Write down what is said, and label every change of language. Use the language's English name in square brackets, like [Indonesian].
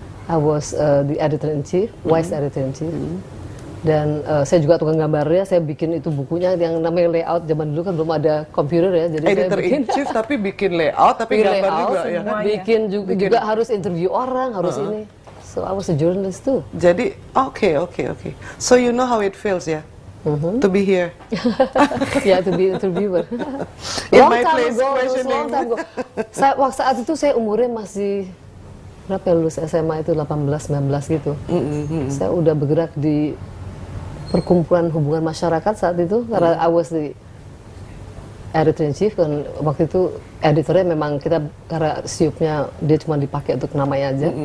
[English] I was the editor-in-chief, vice editor-in-chief. [Indonesian] Dan saya juga tukang gambarnya, saya bikin itu bukunya yang namanya layout zaman dulu kan belum ada komputer ya. Jadi editor-in-chief tapi bikin layout, tapi gambar layout, juga semuanya. Ya kan? Bikin juga, juga harus interview orang, harus ini. [English] So I was a journalist too. [Indonesian] Jadi okay. [English] So you know how it feels ya, to be here. Yeah, to be interviewer. In my place, questioning. [Indonesian] Saya waktu saat itu saya umurnya masih berapa lulus SMA itu 18-19 gitu. Saya udah bergerak di perkumpulan hubungan masyarakat saat itu karena [English] I was the editor in chief [Indonesian] dan waktu itu editornya memang kita karena siupnya dia cuma dipakai untuk namanya aja.